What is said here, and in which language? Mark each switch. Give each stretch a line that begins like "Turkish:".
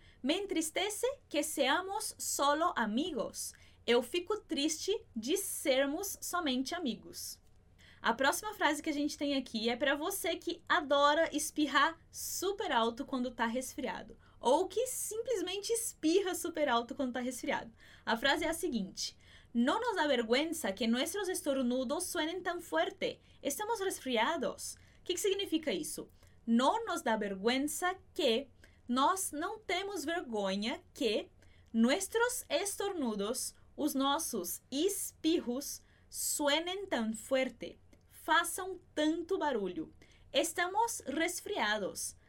Spanish: Me entristece que seamos solo amigos.
Portuguese: Eu fico triste de sermos somente amigos. A próxima frase que a gente tem aqui é para você que adora espirrar super alto quando está resfriado. Ou que simplesmente espirra super alto quando está resfriado. A frase é a seguinte.
Spanish: No nos da vergüenza que nuestros estornudos suenen tan fuerte. Estamos resfriados.
Portuguese: O que significa isso?
Spanish: No nos da vergüenza que
Portuguese: nós não temos vergonha que
Spanish: nuestros estornudos,
Portuguese: os nossos espirros,
Spanish: suenen tan fuerte.
Portuguese: Façam tanto barulho.
Spanish: Estamos resfriados.